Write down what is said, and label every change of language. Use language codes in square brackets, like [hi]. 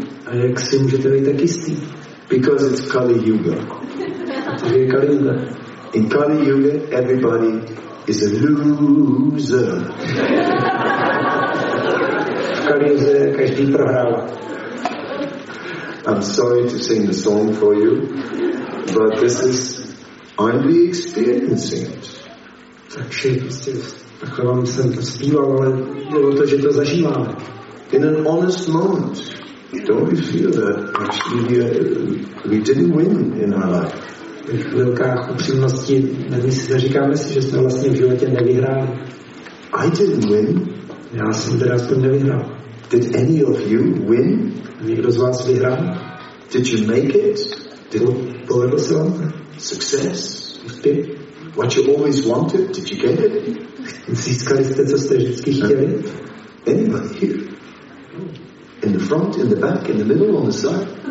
[cs] A jak si můžete být tak jistý? [en] Because it's Kali Yuga. [cs] Protože je Kali Yuga. [en] In Kali Yuga, everybody is a loser. [cs] V Kali Yuga každý prohrává. [en] I'm sorry to sing the song for you, but this is aren't we experiencing it? [cs] Takže prostě takhle vám jsem to zpíval, ale bylo to, že to zažíváme. [en] In an honest moment, don't we feel that actually we didn't win in our life? [cs] V chvilkách upřímnosti říkáme si, že jsme vlastně v životě nevyhráli. [en] I didn't win. [cs] Já jsem teda aspoň nevyhrál. [en] Did any of you win? [cs] Někdo z vás vyhrál? [en] Did you make it? [cs] Povedl se vám? [en] Success? [cs] prostě. [en] What you always wanted, did you get it? [cs] Získali jste, co jste vždycky chtěli? [en] Anybody here? In the front, in the back, in the middle, on the side?